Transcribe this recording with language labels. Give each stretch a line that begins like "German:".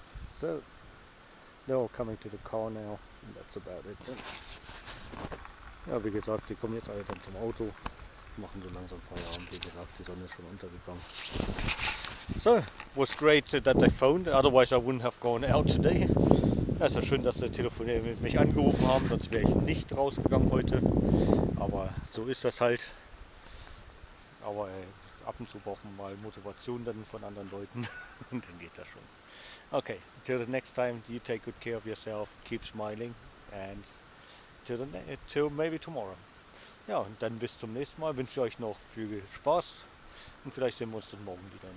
English: So, they're all coming to the car now. And that's about it.
German: Ja, wie gesagt, die kommen jetzt alle dann zum Auto. Machen so langsam Feierabend. Wie gesagt, die Sonne ist schon untergekommen.
English: So, was great that they phoned. Otherwise I wouldn't have gone out today.
German: Ja, ist ja schön, dass sie telefoniert mit mich angerufen haben, sonst wäre ich nicht rausgegangen heute. Aber so ist das halt. Aber ab und zu braucht man mal Motivation dann von anderen Leuten und dann geht das schon.
English: Okay, till the next time, you take good care of yourself, keep smiling and till maybe tomorrow.
German: Ja, und dann bis zum nächsten Mal, wünsche ich euch noch viel Spaß und vielleicht sehen wir uns dann morgen wieder.